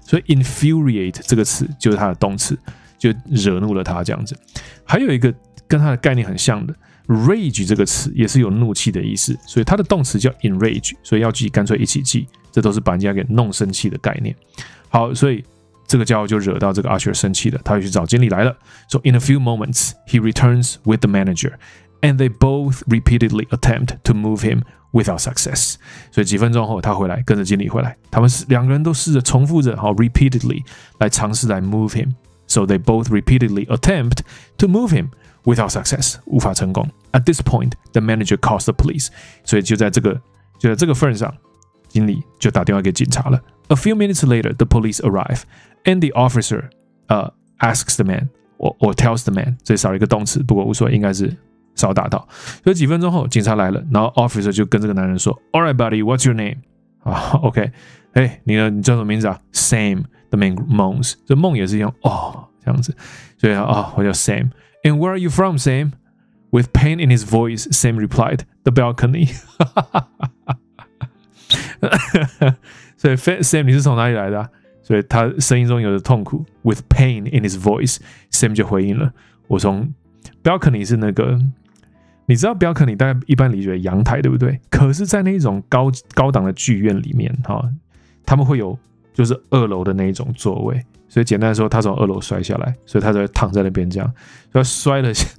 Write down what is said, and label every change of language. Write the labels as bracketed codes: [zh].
[zh] 所以 infuriate 这个词就是他的动词，就惹怒了他这样子。还有一个跟他的概念很像的 rage 这个词也是有怒气的意思，所以他的动词叫 enrage， 所以要记干脆一起记，这都是把人家给弄生气的概念。好，所以这个家伙就惹到这个 usher 生气了，他就去找经理来了。 [en] So in a few moments he returns with the manager and they both repeatedly attempt to move him without success。 [zh] 所以几分钟后他回来跟着经理回来，他们两个人都试着重复着 repeatedly 来尝试来 [en] move him。 So they both repeatedly attempt to move him without success， [zh] 无法成功。 [en] At this point the manager calls the police， [zh] 所以就在这个份上经理就打电话给警察了。 [en] A few minutes later the police arrive and the officer asks the man or tells the man， [zh] 所以少了一个动词，不过无所谓，应该是少打到。所以几分钟后警察来了，然后 officer 就跟这个男人说 [en] Alright buddy, what's your name？ [zh] OK， 你叫什么名字啊？ [en] Sam， the man moans， [zh] 这梦也是一样这样子。所以我叫 Sam。 [en] And where are you from, Sam？ With pain in his voice Sam replied the balcony。 [zh] 所以 Sam 你是从哪里来的所以他声音中有着痛苦。 [en] With pain in his voice [zh] Sam 就回应了，我从 balcony 是那个，你知道 balcony 大概一般理解阳台对不对？可是在那种高档的剧院里面他们会有就是二楼的那种座位，所以简单的说他从二楼摔下来，所以他就躺在那边这样，所以他摔了